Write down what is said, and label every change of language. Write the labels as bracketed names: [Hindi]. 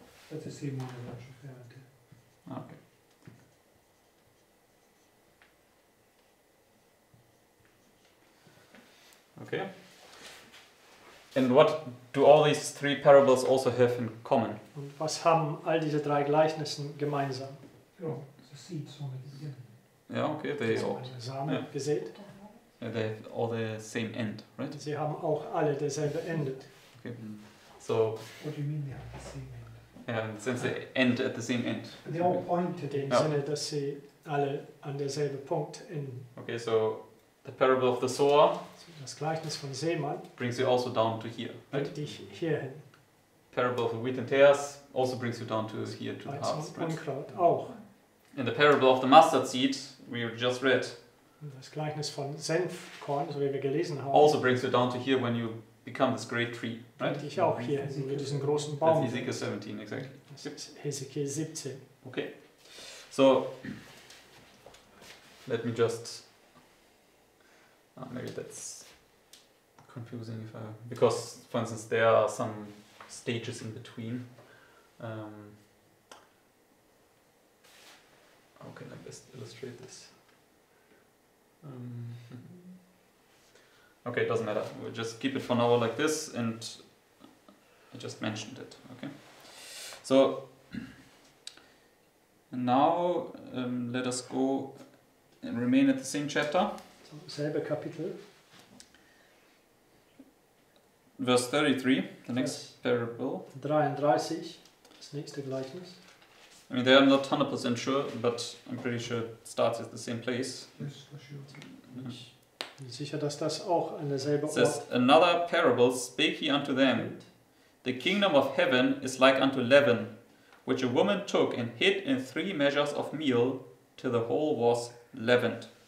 [English] That's the same one that you found. Okay. Okay. And what do all these three parables also have in common? [German] Und was haben all diese drei Gleichnisse gemeinsam? [English] Yeah, okay, they all. [German] Samen gesät. [English] Yeah, they have all the same end, right? [German] Sie haben auch alle dasselbe Ende. [English] Okay. So. What do you mean they have the same end? Yeah, since they end at the same end. They all point to the [German] Sinne, dass sie alle an derselbe Punkt enden. [English] Okay, so the parable of the sower. [German] Das Gleichnis von Seemann [English] brings you also down to here, right? [German] Bringt dich hierhin. [English] Parable of the wheat and tares also brings you down to here, to the harvest, right? [German] Unkraut auch. [English] In the parable of the mustard seed, we just read. [German] Das Gleichnis von Senfkorn, so wie wir gelesen haben. [English] Also brings you down to here when you become this great tree, right? [German] Bringt dich auch hier, wo wir diesen großen Baum. [English] That's Ezekiel 17, exactly. Ezekiel 17. Okay. So, let me just... maybe that's confusing if I, because, for instance, there are some stages in between. How can I best illustrate this? Okay, it doesn't matter. We'll just keep it for now like this, and I just mentioned it. Okay. So, and now let us go and remain at the same chapter. [German] Selbe Kapitel. [English] Verse 33, the next parable. [German] 33, das nächste Gleichnis. [English] I mean, they are not 100% sure, but I'm pretty sure it starts at the same place. Yes, sure. [German] Ich bin sicher, dass das auch an derselbe Ort. [English] Says, another parable spake he unto them. The kingdom of heaven is like unto leaven, which a woman took and hid in three measures of meal, till the whole was leavened.